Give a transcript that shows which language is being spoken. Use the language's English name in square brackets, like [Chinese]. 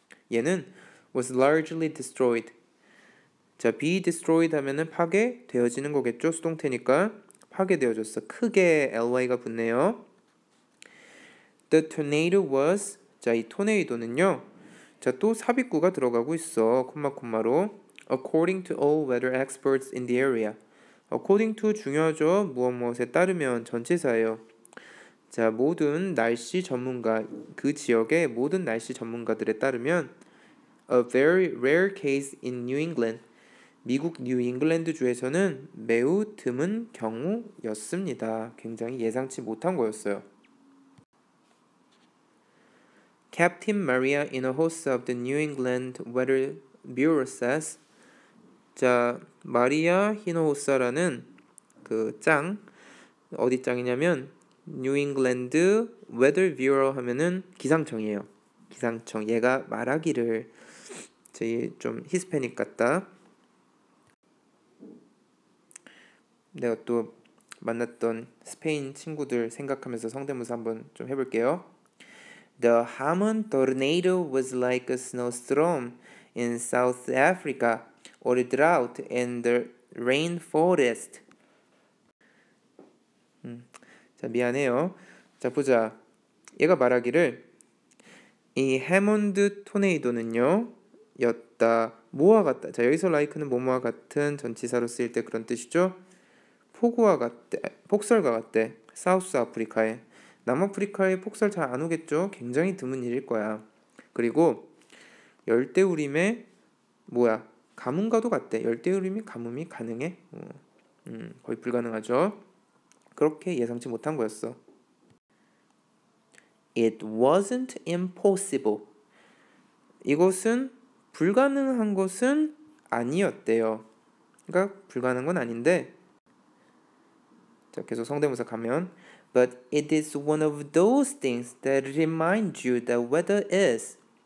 [Korean] 얘는 [English] was largely destroyed. [Korean] 자, [English] be destroyed [Korean] 하면은 파괴되어지는 거겠죠. 수동태니까 파괴되어졌어. 크게 ly가 붙네요. [English] The tornado was, [Korean] 자, 이 토네이도는요. 자, 또 삽입구가 들어가고 있어. 콤마 콤마로. [English] According to all weather experts in the area. [Korean] According to 중요하죠. 무엇 무엇에 따르면 전치사예요. 자, 모든 날씨 전문가, 그 지역의 모든 날씨 전문가들에 따르면. [English] A very rare case in New England. [Korean] 미국 뉴 잉글랜드 주에서는 매우 드문 경우였습니다. 굉장히 예상치 못한 거였어요. [English] Captain Maria Inahosa of the New England Weather Bureau says, 자, [Korean] 마리아 히노호사라는 그 짱, 어디 짱이냐면 New England Weather Bureau 하면은 기상청이에요. 기상청, 얘가 말하기를. 저희 좀 히스패닉 같다. 내가 또 만났던 스페인 친구들 생각하면서 성대모사 한번 좀 해볼게요. [English] The Hammond tornado was like a snowstorm in South Africa, or a drought in the rainforest. [Korean] 자, 미안해요. 자, 보자. 얘가 말하기를 이 해먼드 토네이도는요, 였다. 뭐와 같다. 자, 여기서 like는 뭐뭐와 같은, 전치사로 쓰일 때 그런 뜻이죠. 폭우와 같대, 폭설과 같대. 사우스 아프리카에. 남아프리카에 폭설 잘 안 오겠죠? 굉장히 드문 일일 거야. 그리고 열대우림에, 뭐야, 가뭄과도 같대. 열대우림이 가뭄이 가능해? 거의 불가능하죠. 그렇게 예상치 못한 거였어. [English] It wasn't impossible. [Korean] 이것은 불가능한 것은 아니었대요. 그러니까 불가능한 건 아닌데. 자, 계속 성대모사 가면. [English] But it is one of those things that remind you that weather is.